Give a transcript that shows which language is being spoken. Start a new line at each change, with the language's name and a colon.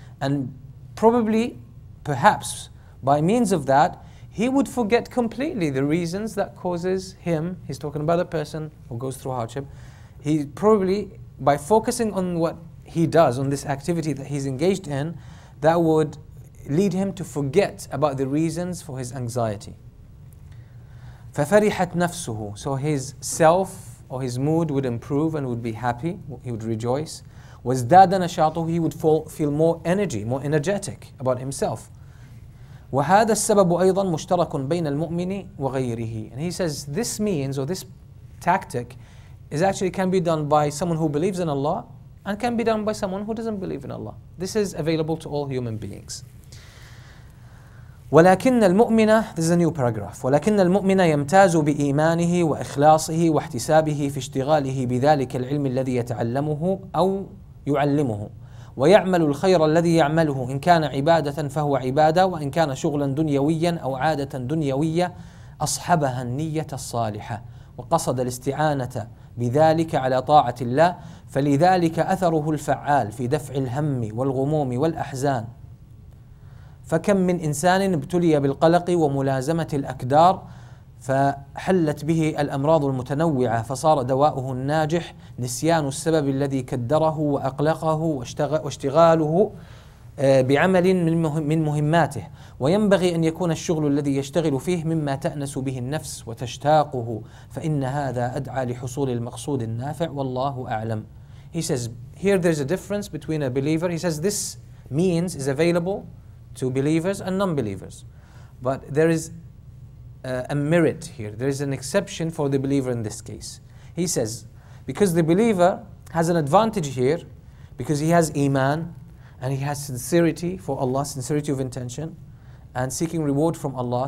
English: And probably, perhaps, by means of that, he would forget completely the reasons that causes him, he's talking about a person who goes through hardship, he probably, by focusing on what he does, on this activity that he's engaged in, that would lead him to forget about the reasons for his anxiety.
Arabic: ففرحت نفسه.
English: So his self or his mood would improve and would be happy. He would rejoice.
Arabic: وازداد نشاطه.
English: He would feel more energy, more energetic about himself.
Arabic: وهذا السبب أيضا مشترك بين المؤمن وغيره.
English: And he says this means, or this tactic, is actually can be done by someone who believes in Allah and can be done by someone who doesn't believe in Allah. This is available to all human beings.
Arabic: ولكن المؤمن,
English: this is a new paragraph,
Arabic: ولكن المؤمن يمتاز بإيمانه وإخلاصه واحتسابه في اشتغاله بذلك العلم الذي يتعلمه أو يعلمه ويعمل الخير الذي يعمله إن كان عبادة فهو عبادة وإن كان شغلا دنيويا أو عادة دنيوية أصحبها النية الصالحة وقصد الاستعانة بذلك على طاعة الله فلذلك أثره الفعال في دفع الهم والغموم والأحزان فكم من إنسان ابتلي بالقلق وملازمة الأكدار فحلت به الأمراض المتنوعة فصار دواؤه الناجح نسيان السبب الذي كدره وأقلقه واشتغاله بعمل من مهماته وينبغي أن يكون الشغل الذي يشتغل فيه مما تأنس به النفس وتشتاقه فإن هذا أدعى لحصول المقصود النافع والله أعلم.
English: He says here there's a difference between a believer. He says this means is available to believers and non-believers, but there is a merit here. There is an exception for the believer in this case. He says because the believer has an advantage here because he has iman and he has sincerity for Allah, sincerity of intention and seeking reward from Allah.